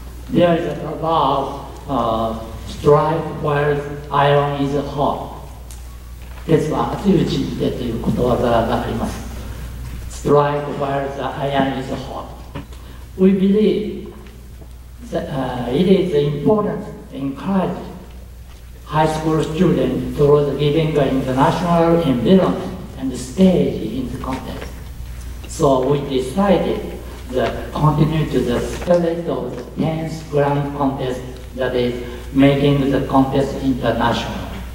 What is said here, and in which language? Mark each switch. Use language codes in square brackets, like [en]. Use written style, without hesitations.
[en] There is a proverb, strike while iron is hot. [ja] 鉄は熱いうちでということわざがあります。 [en] Strike while the iron is hot. We believe that, it is important to encourage high school students towards giving an international environment and stage in the contest. So we decided to continue to the spirit of the 10th Grand Contest, that is, making the contest international.